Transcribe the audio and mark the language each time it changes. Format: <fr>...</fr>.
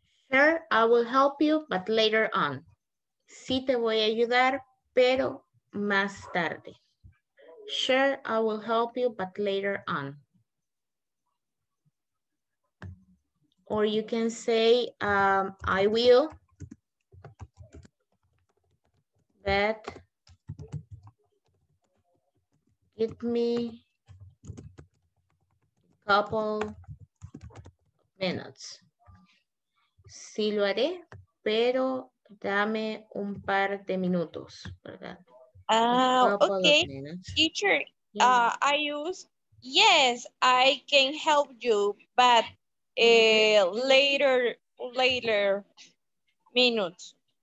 <en>Sure, I will help you, but later on.</en> <es>Sí te voy a ayudar, pero más tarde.</es> <en>Sure, I will help you, but later on. Or you can say, I will, but give me a couple minutes.</en> <es>Sí lo haré, pero dame un par de minutos, ¿verdad?</es> <en>Okay, teacher, yeah. I use, yes, I can help you, but later minutes.</en>